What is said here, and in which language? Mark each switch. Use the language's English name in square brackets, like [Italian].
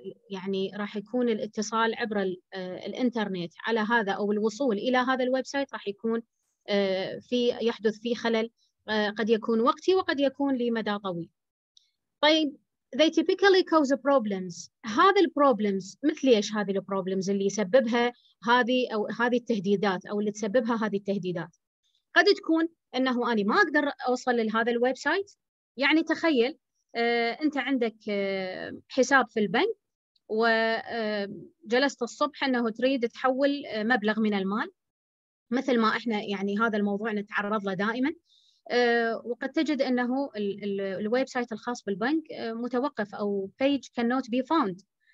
[Arabic] يعني راح يكون الاتصال عبر الإنترنت على هذا أو الوصول إلى هذا الويب سايت راح يكون يحدث فيه خلل، قد يكون وقتي وقد يكون لمدى طويل. طيب [English] they typically cause problems. [Arabic] هذه البروبلمز مثل ايش؟ هذه البروبلمز اللي يسببها هذه او هذه التهديدات او اللي تسببها هذه التهديدات، قد تكون انه انا ما اقدر اوصل لهذا الويب سايت. يعني تخيل انت عندك حساب في البنك، وجلست الصبح انه تريد تحول مبلغ من المال، مثل ما احنا يعني هذا الموضوع نتعرض له دائما، وقد تجد أنه الويب سايت الخاص بالبنك متوقف أو [English] page cannot be found.